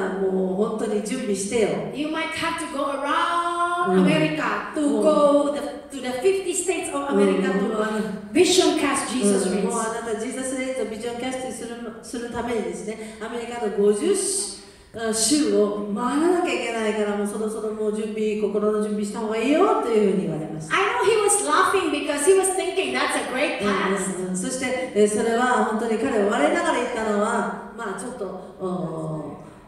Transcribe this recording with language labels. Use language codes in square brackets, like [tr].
[en] You might have to go around America to go to the 50 states of America to vision cast Jesus rays. [ja] もうあなた Jesus rays をビジョンキャストするためにですね、アメリカの50州を回らなきゃいけないから、もうそろそろもう準備、心の準備した方がいいよというふうに言われました。 [en] I know he was laughing because he was thinking that's a great task. [ja] そしてそれは本当に彼は笑いながら言ったのは、まあちょっと。